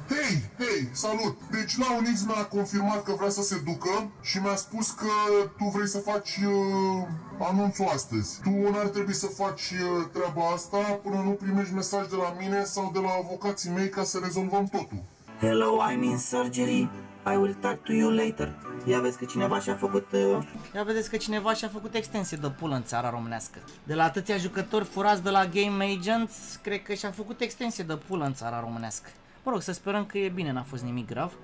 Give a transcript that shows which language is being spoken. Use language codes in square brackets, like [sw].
[ro] Hei, hei, salut. Deci Launix mi-a confirmat că vrea să se ducă și mi-a spus că tu vrei să faci anunțul astăzi. Tu n-ar trebui să faci treaba asta până nu primești mesaj de la mine sau de la avocații mei ca să rezolvăm totul. [en] Hello, I'm in surgery, I will talk to you later. [ro] Ia vezi că cineva și-a făcut... Ia vedeți că cineva și-a făcut extensie de pulă în țara românească. De la atâția jucători furați de la Game Agents, cred că și-a făcut extensie de pulă în țara românească. Mă rog, să sperăm că e bine, n-a fost nimic grav.